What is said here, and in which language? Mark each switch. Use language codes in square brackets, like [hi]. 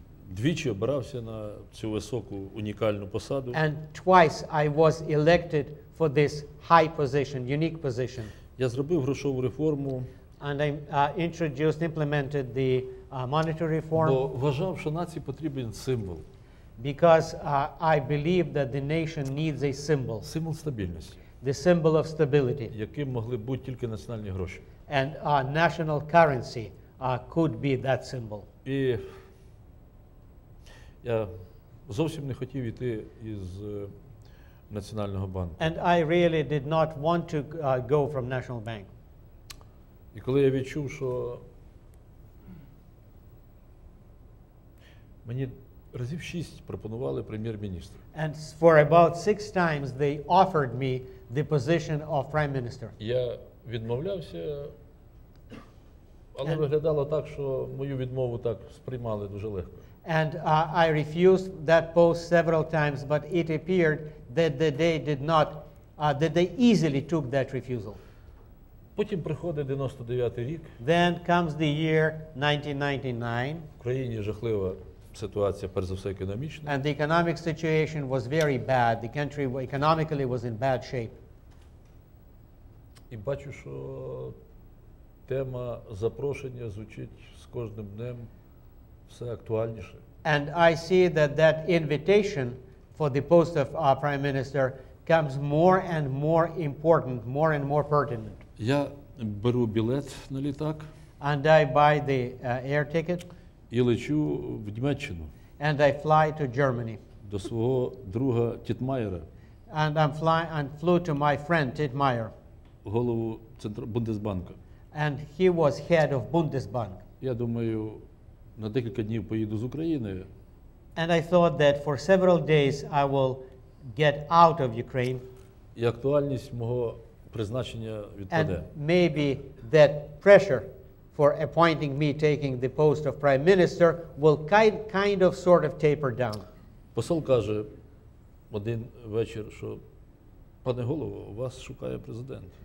[uk] Двічі обирався на цю високу унікальну посаду. [en] And twice I was elected for this high position, unique position. [uk] Я зробив грошову реформу. [en] And I implemented the monetary reform. [uk] Бо вважав, що нації потрібен символ. [en] Because I believe that the nation needs a symbol. [uk] Символ стабільності. [en] The symbol of stability. [uk] Яким могли бути тільки національні гроші. [en] And national currency could be that symbol. [uk] І я зовсім не хотів йти із Національного банку. [en] And I really did not want to go from National Bank. [uk] І коли я відчув, що мені разів шість пропонували прем'єр-міністра. [en] And for about six times they offered me the position of prime minister. [uk] Я відмовлявся, але виглядало так, що мою відмову так сприймали дуже легко. [en] And I refused that post several times, but it appeared that they easily took that refusal. [uk] Потім приходить 99-й рік. [en] Then comes the year 1999. [uk] В країні жахлива ситуація, перш за все економічна. [en] And the economic situation was very bad. The country economically was in bad shape. [uk] І бачу, що тема запрошення звучить з кожним днем все актуальніше. [en] And I see that invitation for the post of our prime minister comes more and more important, more and more pertinent. [uk] Я беру білет на літак. [en] And I buy the air ticket. [uk] І лечу в Німеччину. [en] And I fly to Germany. [uk] До свого друга Тітмайера. [en] And flew to my friend Тітмайер. [uk] Голову Бундесбанку. [en] And he was head of Bundesbank. [uk] Я думаю, на декілька днів поїду з України. [en] And I thought that for several days I will get out of Ukraine. [uk] І актуальність мого призначення відпаде. [en] And maybe that pressure for appointing me taking the post of prime minister will kind of taper down. [uk] Посол каже один вечір, що пане голово, вас шукає президент.